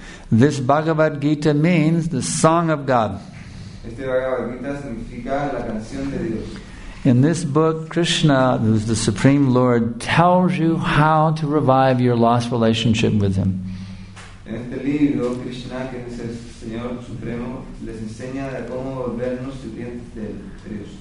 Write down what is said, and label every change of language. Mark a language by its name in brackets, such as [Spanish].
[English] This Bhagavad Gita means the song of God. [Spanish] Este Bhagavad Gita significa la canción de Dios. [English] In this book, Krishna, who's the Supreme Lord, tells you how to revive your lost relationship with Him. [Spanish] En este libro, Krishna, que es el Señor Supremo, les enseña de cómo volvernos sirvientes de Dios.